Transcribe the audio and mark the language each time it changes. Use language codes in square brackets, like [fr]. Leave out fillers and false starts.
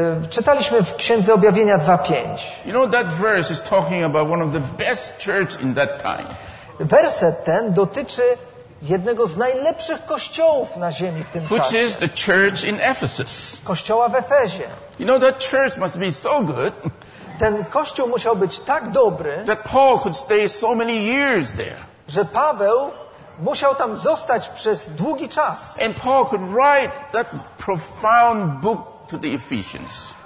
[pl] Czytaliśmy w Księdze Objawienia 2:5. [en] You know, that verse is talking about one of the best church in that time. [pl] Werset ten dotyczy jednego z najlepszych kościołów na ziemi w tym [en] Which [pl] czasie. [en] Is the church in Ephesus. [pl] Kościoła w Efezie. [en] You know, that church must be so good. [pl] Ten kościół musiał być tak dobry, [en] that Paul could stay so many years there. [pl] Że Paweł musiał tam zostać przez długi czas. [en] And Paul could write that profound book to the Ephesians.